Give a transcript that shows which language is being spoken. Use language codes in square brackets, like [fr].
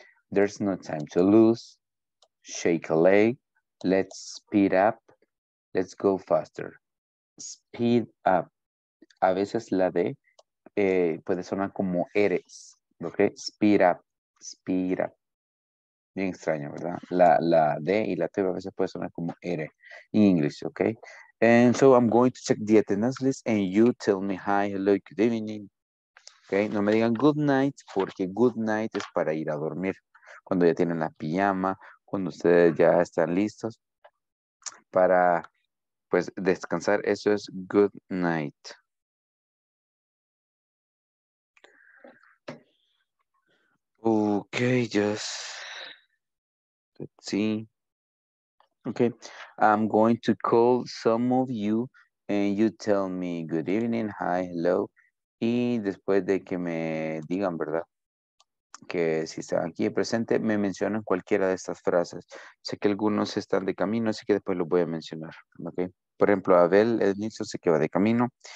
[en] There's no time to lose. Shake a leg, let's speed up, let's go faster. Speed up. [es] A veces la D puede sonar como eres, ¿ok? [en] Speed up, speed up. [es] Bien extraño, ¿verdad? La D y la T a veces puede sonar como R [en] in English, [es] ¿ok? [en] And so I'm going to check the attendance list and you tell me hi, hello, good evening. ¿Ok? [es] No me digan [en] good night [es] porque good night es para ir a dormir cuando ya tienen la pijama, cuando ustedes ya están listos para, pues, descansar. Eso es [en] good night. Okay, just, let's see. Okay, I'm going to call some of you and you tell me good evening, hi, hello. [es] Y después de que me digan, ¿verdad?, que si están aquí presente, me mencionan cualquiera de estas frases. Sé que algunos están de camino, así que después los voy a mencionar. Okay. Por ejemplo, Abel Ednison sé que va de camino.